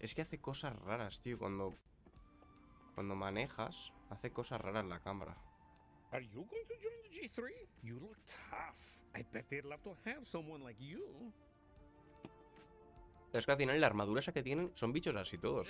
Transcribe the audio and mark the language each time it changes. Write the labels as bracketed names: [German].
[Spanish] Es que hace cosas raras, tío, cuando manejas, hace cosas raras la cámara. [English] Are you going to join the G3? You look tough. I bet they'd love to have someone like you. [Spanish] Es que al final la armadura esa que tienen son bichos así todos.